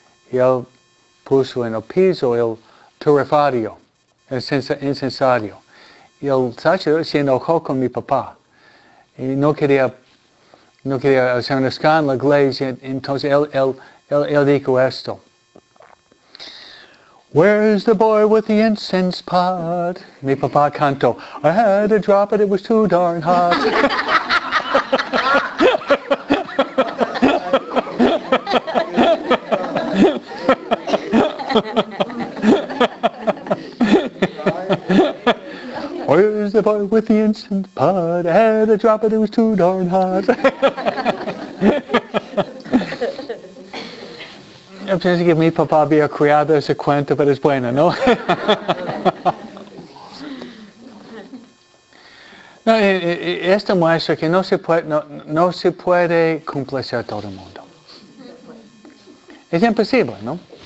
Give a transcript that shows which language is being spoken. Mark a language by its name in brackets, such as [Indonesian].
[Spanish] Y él puso en el piso el turrefario, el incensario. Y el sacerdote se enojó con mi papá. Y no quería hacer un escándalo en la iglesia, entonces él dijo esto. [English] Where is the boy with the incense pot? [Spanish] Mi papá canto. [English] I had to drop it, it was too darn hot. Where is the boy with the incense pot? I had to drop it, it was too darn hot. [Spanish] Yo pienso que mi papá había creado ese cuento, pero es bueno, ¿no? No, esto muestra que no se puede complacer a todo el mundo. Es imposible, ¿no?